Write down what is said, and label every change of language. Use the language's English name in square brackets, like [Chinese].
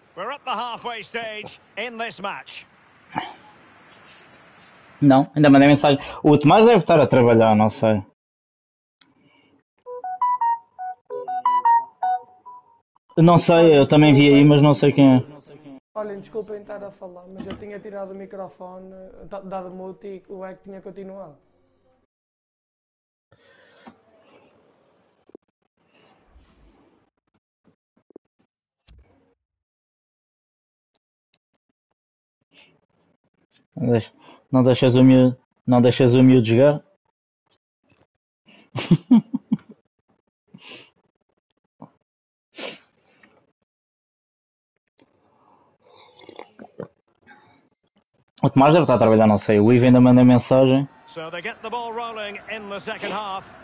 [English] We're up the halfway stage in this match. [Portuguese] Não, ainda mandei mensagem. O Tomás deve estar a trabalhar, não sei. Não sei, eu também vi aí, mas não sei quem é. Olhem, desculpem estar a falar, mas eu tinha tirado o microfone, dado mute e o Eco tinha continuado. Não deixas o miúdo jogar? O Tomás deve estar a trabalhar, não sei. O Ivo ainda manda mensagem. [English] So they get the ball rolling in the second half.